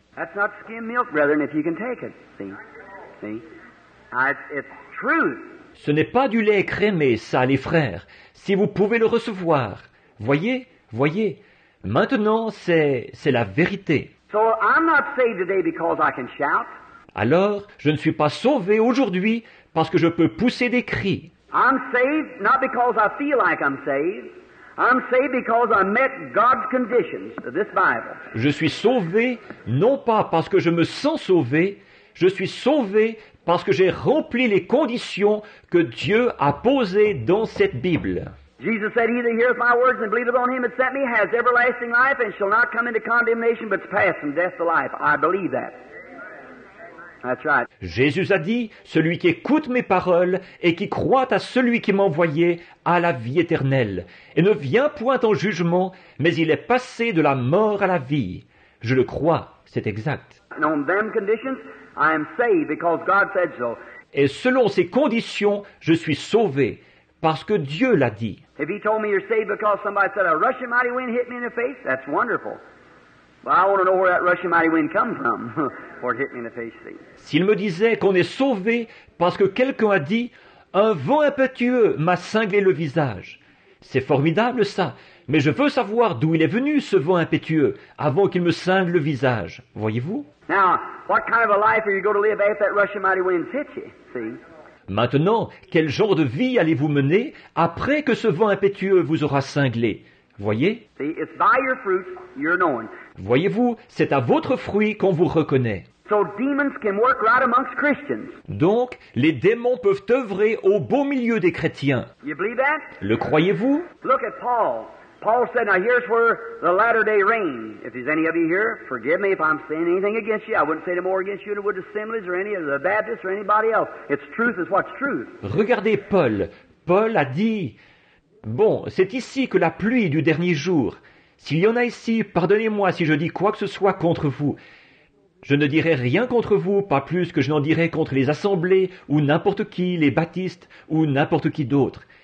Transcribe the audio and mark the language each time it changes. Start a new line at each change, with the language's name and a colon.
English: That's not skim milk, brethren, if you can take it. See? See? It's truth.
French: Ce n'est pas du lait écrémé, ça, les frères. Si vous pouvez le recevoir. Voyez, voyez. Maintenant, c'est la vérité.
English: So I'm not saved today because I can shout.
French: Alors, je ne suis pas sauvé aujourd'hui parce que je peux pousser des cris.
English: I'm saved not because I feel like I'm saved. I'm saved because I met God's conditions, this Bible.
French: Je suis sauvé non pas parce que je me sens sauvé, je suis sauvé parce que j'ai rempli les conditions que Dieu a posées dans cette Bible.
English: Jesus said, he that heareth my words and believeth on him that sent me has everlasting life and shall not come into condemnation but pass from death to life. I believe that. That's right.
French: Jésus a dit, celui qui écoute mes paroles et qui croit à celui qui m'a envoyé a la vie éternelle et ne vient point en jugement, mais il est passé de la mort à la vie. Je le crois, c'est exact.
English: And on them conditions, I am saved because God said so.
French: Et selon ces conditions, je suis sauvé. Parce que Dieu l'a dit.
English: If he told me you're saved because somebody said a rushing mighty wind hit me in the face, that's wonderful. But I want to know where that rushing mighty wind come from or hit me in the face.
French: S'il me disait qu'on est sauvé parce que quelqu'un a dit un vent impétueux m'a cinglé le visage. C'est formidable ça, mais je veux savoir d'où il est venu ce vent impétueux avant qu'il me cingle le visage. Voyez-vous?
English: Now, what kind of a life are you going to live after that rushing mighty wind hit you? See?
French: Maintenant, quel genre de vie allez-vous mener après que ce vent impétueux vous aura cinglé? Voyez?
English: See, it's by your fruit, you're known.
French: Voyez-vous, c'est à votre fruit qu'on vous reconnaît.
English: So demons can work right amongst Christians.
French: Donc, les démons peuvent œuvrer au beau milieu des chrétiens.
English: You believe that?
French: Le croyez-vous?
English: Look at Paul. Paul said, now here's where the latter day reign. If there's any of you here, forgive me if I'm saying anything against you. I wouldn't say any more against you than would the assemblies or any of the Baptists or anybody else. It's truth is what's truth.
French: Regardez Paul. Paul a dit, bon, c'est ici que la pluie du dernier jour. S'il y en a ici, pardonnez-moi si je dis quoi que ce soit contre vous. Je ne dirai rien contre vous, pas plus que je n'en dirai contre les assemblées ou n'importe qui, les baptistes ou n'importe qui d'autre.